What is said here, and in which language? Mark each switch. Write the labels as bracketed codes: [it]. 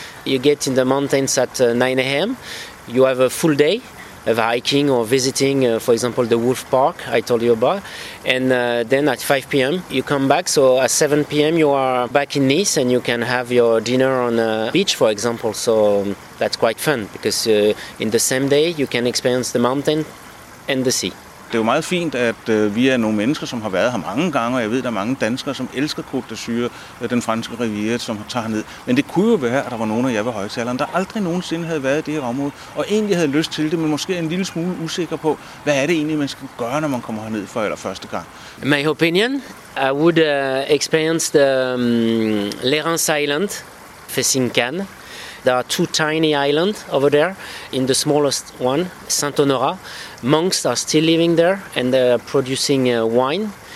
[en] You get in the mountains at 9 a.m. You have a full day of hiking or visiting, for example, the Wolf Park I told you about. And then at 5 p.m. you come back. So at 7 p.m. you are back in Nice and you can have your dinner on a beach, for example. So that's quite fun because in the same day you can experience the mountain and the sea. [da] Det er jo meget fint, at vi er nogle mennesker, som har været her mange gange, og jeg ved, der er mange danskere, som elsker Côte d'Azur, den franske riviera, som tager herned. Men det kunne jo være, at der var nogen af jer ved højtaleren, der aldrig nogensinde havde været i det her område, og egentlig havde lyst til det, men måske en lille smule usikker på, hvad er det egentlig, man skal gøre, når man kommer herned for eller første gang. [en] My opinion, I would experience the Lérins Island facing Cannes. There are two tiny islands over there, in the smallest one, Saint-Honorat. Monks are still living there and they're producing wine.